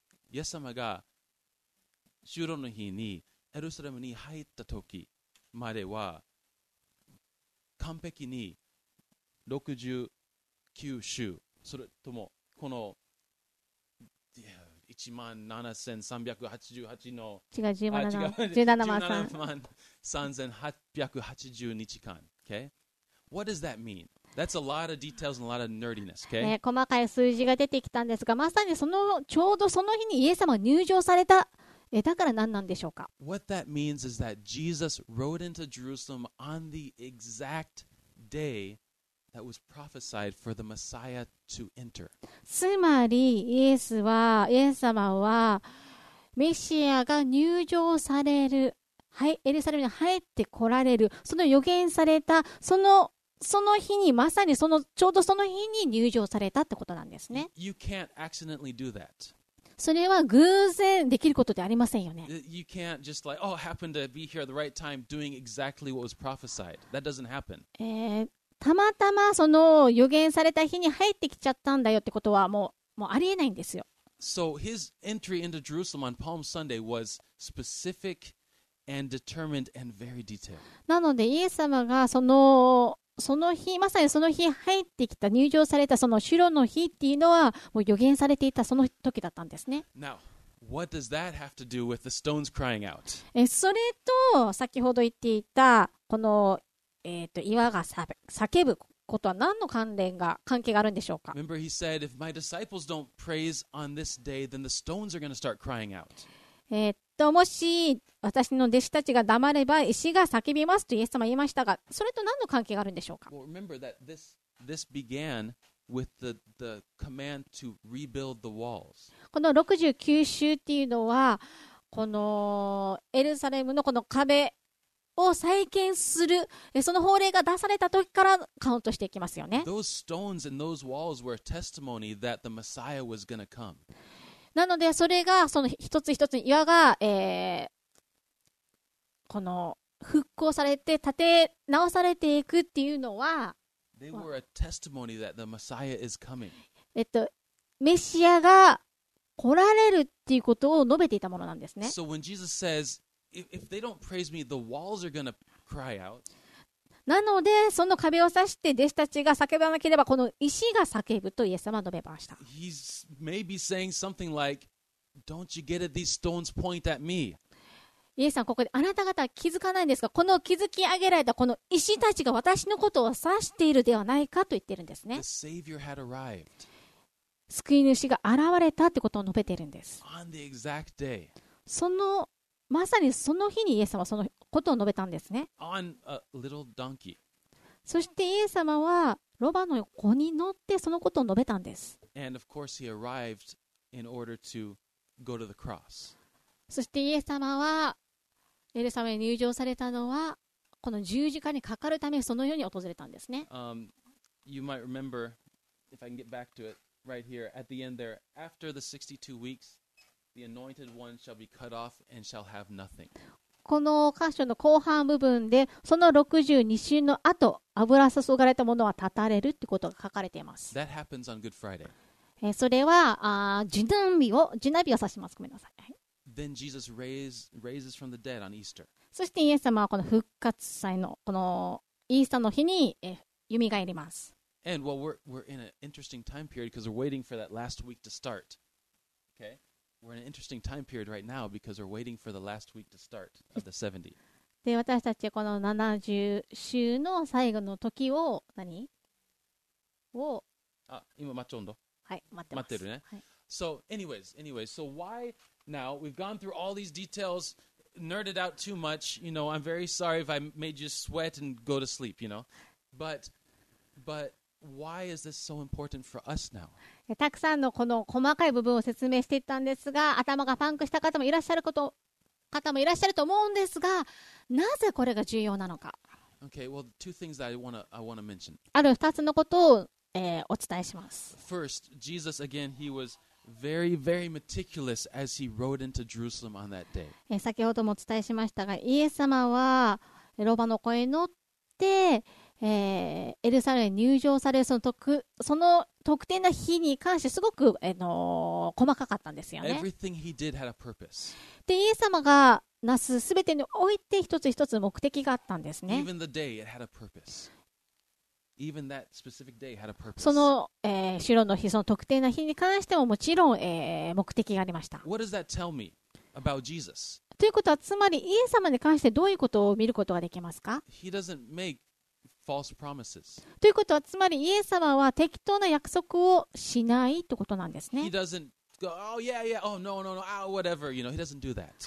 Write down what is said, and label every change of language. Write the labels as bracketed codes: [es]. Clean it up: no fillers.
[ja] イエス様が就労の日にエルサレムに入った時までは完璧に69週それともこの17,388日間 okay? [en] What does that mean? That's a lot of details and a lot of nerdiness, okay? [ja] 細かい数字が出てきたんですがまさにそのちょうどその日にイエス様が入場されたえだから何なんでしょうか? [en] What that means is that Jesus rode into Jerusalem on the exact day that was prophesied for the Messiah to enter. [ja] つまりイエス様はメシアが入場される、はい、エルサレムに入ってこられるその予言されたその日にまさにそのちょうどその日に入場されたってことなんですね。 [en] You can't accidentally do that. [ja] それは偶然できることではありませんよね。 [en] You can't just like, oh, happen to be here at the right time doing exactly what was prophesied. That doesn't happen. [ja] たまたまその予言された日に入ってきちゃったんだよってことはもうありえないんですよ。 [en] So his entry into Jerusalem on Palm Sunday was specific and determined and very detailed. [ja] なのでイエス様がその日まさにその日入ってきた入場されたその主の日っていうのはもう予言されていたその時だったんですね。 [en] Now, what does that have to do with the stones crying out? [ja] それと先ほど言っていたこの、岩が叫ぶことは何の関係があるんでしょうか? [en] Remember, he said, if my disciples don't praise on this day, then the stones are going to start crying out. [ja] もし私の弟子たちが黙れば石が叫びますとイエス様は言いましたがそれと何の関係があるんでしょうか? [en] Well, remember that this began with the command to rebuild the walls. [ja] この69週っていうのはこのエルサレムのこの壁を再建するその法令が出された時からカウントしていきますよね。 [en] Those stones and those walls were a testimony that the Messiah was going to come. [ja] なのでそれがその一つ一つの岩が、この復興されて建て直されていくっていうのは [en] They were a testimony that the Messiah is coming. [ja] メシアが来られるっていうことを述べていたものなんですね。 [en] So when Jesus says, if they don't praise me, the walls are going to cry out. [ja] なのでその壁を刺して弟子たちが叫ばなければこの石が叫ぶとイエス様は述べました。 [en] He's maybe saying something like, "Don't you get it? These stones point at me." [ja] イエスさんここであなた方は気づかないんですか。この築き上げられたこの石たちが私のことを刺しているではないかと言ってるんですね。 [en] The Savior had arrived. [ja] 救い主が現れたってことを述べてるんです。 [en] On the exact day. [ja] そのまさにその日にイエス様はそのことを述べたんですね。 [en] On a little donkey. [ja] そしてイエス様はロバの子に乗ってそのことを述べたんです。 [en] And of course he arrived in order to go to the cross. [ja] そしてイエス様はエルサレムに入場されたのはこの十字架にかかるためその世に訪れたんですね。 [en] You might remember, if I can get back to it right here, at the end there, after the 62 weeks,The anointed one shall be cut off and shall have nothing. [ja] この箇所の後半部分で、その62週の後、油注がれたものは断たれるってことが書かれています。 [en] That happens on Good Friday. [ja] それは、受難日を、受難日を指します。ごめんなさい。 [en] Then Jesus raises from the dead on Easter. [ja] そしてイエス様はこの復活祭のこのイースターの日に蘇ります。 [en] And well, we're in an interesting time period because we're waiting for that last week to start. Okay? We're in an interesting time period right now because we're waiting for the last week to start of the 70. [ja] で、私たちこの70週の最後の時を何？を。あ、今待ち温度。はい、待ってます。待ってるね。はい。 [en] So, anyways, so why now? We've gone through all these details, nerded out too much. You know, I'm very sorry if I made you sweat and go to sleep, you know. But why is this so important for us now? [ja] たくさんのこの細かい部分を説明していったんですが、頭がパンクした方もいらっしゃること、方もいらっしゃると思うんですが、なぜこれが重要なのか。 [en] Okay, well, two things that I wanna mention. [ja] ある二つのことを、お伝えします。 [en] First, Jesus again, he was very, very meticulous as he rode into Jerusalem on that day. [ja] 先ほどもお伝えしましたが、イエス様はロバの子に乗って、エルサレムに入城されるその特定な日に関してすごく、細かかったんですよね。 [en] Everything he did had a purpose. [ja] で、イエス様がなすすべてにおいて一つ一つ目的があったんですね。 [en] Even the day, it had a purpose. Even that specific day had a purpose. [ja] その、シロの日、その特定な日に関してももちろん、目的がありました。 [en] What does that tell me about Jesus? [ja] ということは、つまりイエス様に関してどういうことを見ることができますか? [en] He doesn't make false promises. [ja] ということは、つまりイエス様は適当な約束をしないってことなんですね。 [en] He doesn't go, oh yeah, yeah, oh no, no, no, oh, whatever, you know, he doesn't do that.